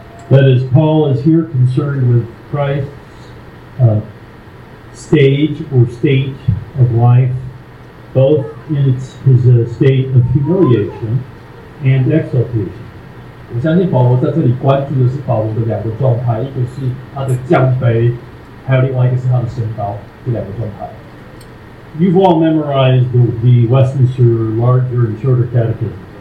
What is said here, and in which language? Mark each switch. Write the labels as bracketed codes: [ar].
[en] That is, Paul is here concerned with Christ's stage or state of life, both in his state of humiliation and exaltation. [zh] 我相信保罗在这里关注的是保罗的两个状态，一个是他的降卑，还有另外一个是他的升高，这两个状态。 [en] You've all memorized the Westminster Larger and Shorter Catechism.